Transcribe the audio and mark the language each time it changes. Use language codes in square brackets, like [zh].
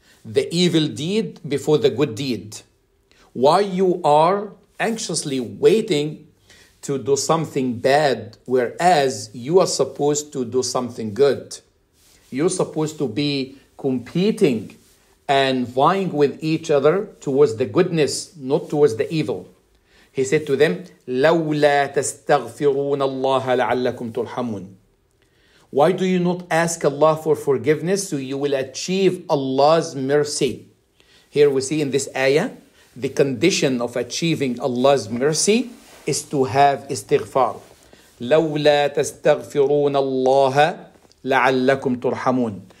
[en] the evil deed before the good deed. Why you are anxiously waiting to do something bad, whereas you are supposed to do something good. You're supposed to be competing and vying with each other towards the goodness, not towards the evil. He said to them, [ar] لَوْلَا تَسْتَغْفِرُونَ اللَّهَ لَعَلَّكُمْ تُرْحَمُونَ. [en] Why do you not ask Allah for forgiveness so you will achieve Allah's mercy? Here we see in this ayah, the condition of achieving Allah's mercy is to have istighfar. [ar] لَوْلَا تَسْتَغْفِرُونَ اللَّهَ لَعَلَّكُمْ تُرْحَمُونَ.